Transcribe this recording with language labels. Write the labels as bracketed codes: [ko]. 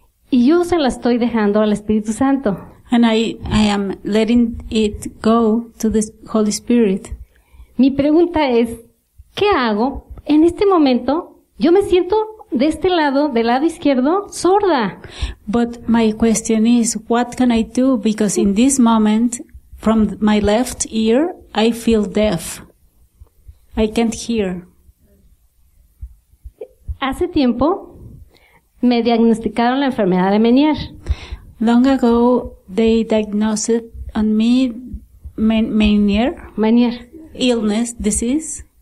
[es] Y yo se la estoy dejando al Espíritu Santo. [en] And I am letting it go to the Holy Spirit. [es] Mi pregunta es, ¿qué hago? En este momento, yo me siento de este lado, del lado izquierdo, sorda. [en] But my question is, what can I do? Because in this moment, from my left ear, I feel deaf. I can't hear. [es] Hace tiempo, me diagnosticaron la enfermedad de Meniere. [en] Long ago, they diagnosed on me Meniere illness, disease,